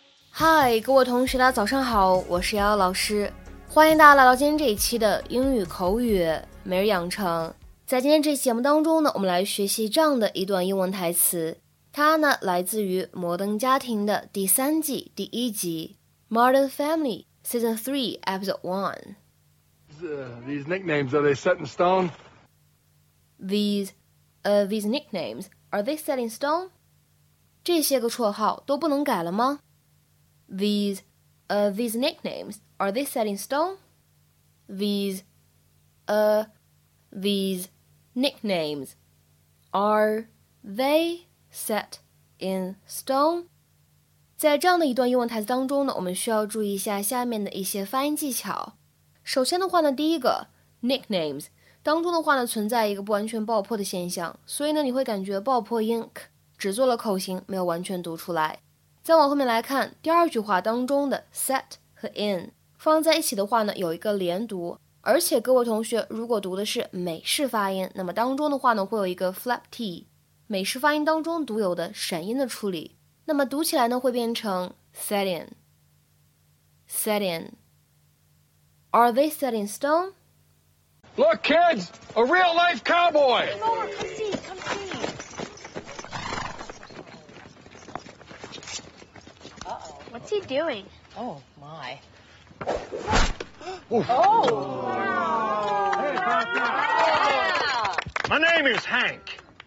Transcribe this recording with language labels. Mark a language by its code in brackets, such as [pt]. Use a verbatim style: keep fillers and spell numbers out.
[zh] 嗨，各位同学大家早上好，我是瑶瑶老师，欢迎大家来到今天这一期的英语口语每日养成。在今天这期节目当中呢，我们来学习这样的一段英文台词，它呢来自于《摩登家庭》的第三季第一集，《Modern Family Season Three Episode One》。 [en] These nicknames are they set in stone? These, uh, these nicknames are they set in stone? [zh] 这些个绰号都不能改了吗？ [en] These, uh, these nicknames, are they set in stone? These, uh, these nicknames, are they set in stone? [zh] 在这样的一段英文台词当中呢，我们需要注意一下下面的一些发音技巧。首先的话呢，第一个 nicknames 当中的话呢，存在一个不完全爆破的现象，所以呢，你会感觉爆破音只做了口型，没有完全读出来。再往后面来看，第二句话当中的 set 和 in 放在一起的话呢，有一个连读，而且各位同学如果读的是美式发音，那么当中的话呢，会有一个 flap t， 美式发音当中独有的闪音的处理，那么读起来呢会变成 [en] set in set in Are they set in stone? Look, kids, a real life cowboy. Come over, come see, come see. What's he doing? Oh, my. Oh. Wow. Hey, wow. My name is Hank.